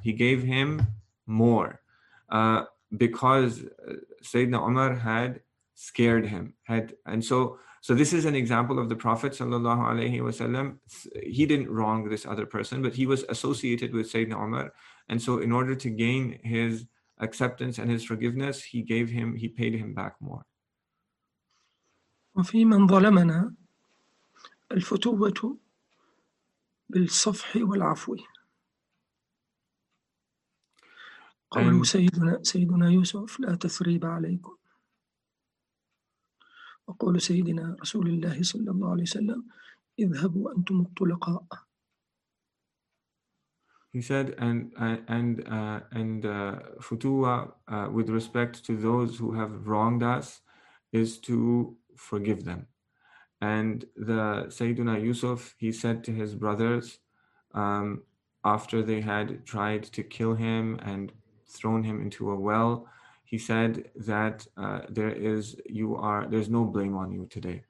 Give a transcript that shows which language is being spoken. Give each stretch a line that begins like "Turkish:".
English: He gave him more because Sayyidina Umar had scared him. So this is an example of the Prophet sallallahu alayhi wa sallam. He didn't wrong this other person, but he was associated with Sayyidina Umar. And so in order to gain his acceptance and his forgiveness, he paid him back more.
Arabic: وفي من ظلمنا الفتوة بالصفح والعفو. قالوا سيدنا يوسف لا تثريب عليكم. وقول سيدنا رسول الله صلى الله عليه وسلم اذهبوا أنتم الطلقاء.
English: He said, and futuwa with respect to those who have wronged us is to forgive them. And the Sayyidina Yusuf, he said to his brothers, after they had tried to kill him and thrown him into a well, he said that there's no blame on you today.